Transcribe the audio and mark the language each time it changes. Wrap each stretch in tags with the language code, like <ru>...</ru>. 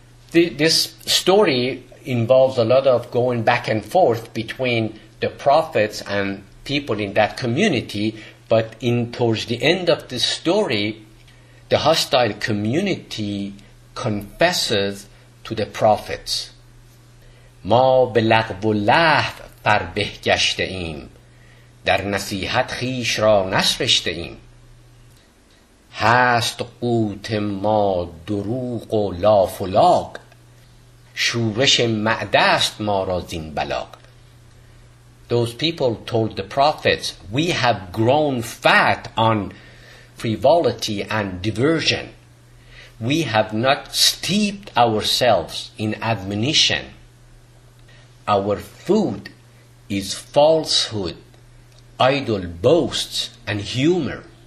<en>This story involves a lot of going back and forth between the prophets and people in that community, but towards the end of the story, the hostile community confesses to the prophets.</en> <fa>ما به لغو و لهو فربه گشته ایم. در نصیحت خیش را نسرشته ایم. هست قوت ما دروغ و لاف و لاغ. شورش معده است ما را زین بلاغ.</fa> <en>Those people told the prophets, we have grown fat on frivolity and diversion. We have not steeped ourselves in admonition. Our food is falsehood, idle boasts, and humor.</en>